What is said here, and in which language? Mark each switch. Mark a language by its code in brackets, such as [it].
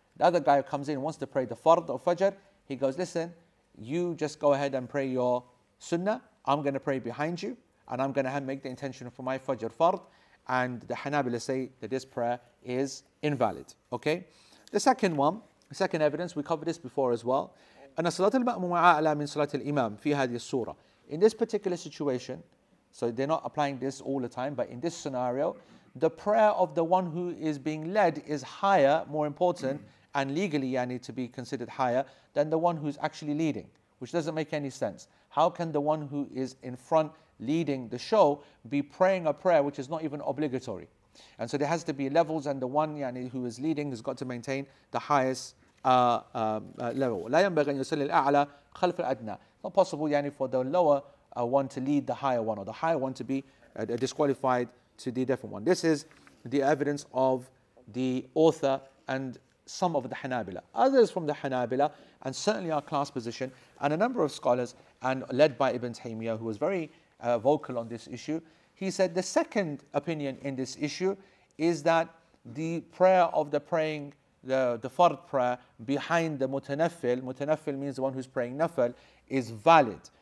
[en] The other guy comes in and wants to pray the fard of fajr. He goes, listen, you just go ahead and pray your sunnah. I'm going to pray behind you and I'm going to make the intention for my fajr fard. And the Hanabila say that this prayer is invalid. Okay? The second one, the second evidence, we covered this before as well. [ar] أن صلاة المأموم أعلى من صلاة الإمام في هذه السورة. [en] In this particular situation, so they're not applying this all the time, but in this scenario, the prayer of the one who is being led is higher, more important, and legally yani to be considered higher than the one who's actually leading, which doesn't make any sense. How can the one who is in front leading the show be praying a prayer which is not even obligatory? And so there has to be levels, and the one yani who is leading has got to maintain the highest level. [ar] لا ينبغي أن يصلي الأعلى خلف الأدنى. [en] Not possible yani for the lower one to lead the higher one, or the higher one to be disqualified to the different one. This is the evidence of the author and some of the Hanabila. Others from the Hanabila, and certainly our class position, and a number of scholars, and led by Ibn Taymiyyah, who was very vocal on this issue, he said the second opinion in this issue is that the prayer of the praying, the fard prayer behind the mutanaffil, mutanaffil means the one who's praying nafil, is valid.